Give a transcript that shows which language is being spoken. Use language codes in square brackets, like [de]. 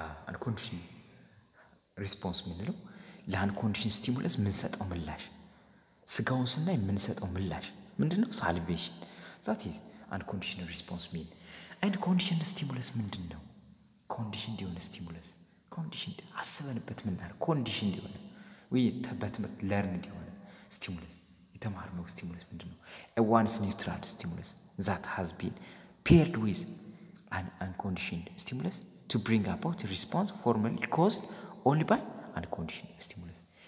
[am] unconditioned response ምንለው unconditioned stimulus ምንሰጠው ምላሽ ስጋውን ስናይ ምንሰጠው ምላሽ ምንድነው [en] salivation that is unconditioned response mean and conditioned stimulus [am] ምንድነው conditioned የሆነ stimulus conditioned አስበንበት ምን አለ conditioned የሆነ ወይ ተበትምርት ለርን እንዲሆነ stimulus የተማርነው stimulus ምንድነው? [en] A once neutral stimulus that has been paired with an unconditioned stimulus to bring about a response formally caused only by unconditioned stimulus.